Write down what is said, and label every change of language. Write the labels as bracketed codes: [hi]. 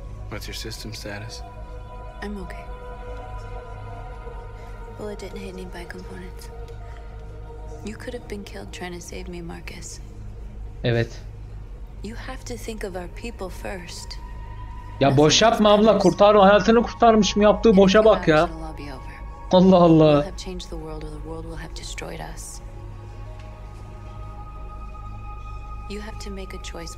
[en] What's your system status? I'm okay. Bullet didn't hit any bike components. You could have been killed trying to save me, Marcus. [tr] Evet. [en] You have to think of our people first. [tr] Ya boş yapma abla, kurtar, hayatını kurtarmış mı, yaptığı boşa bak ya. Allah Allah. [en] We'll have changed the world or the world will have destroyed us. You have to make a choice.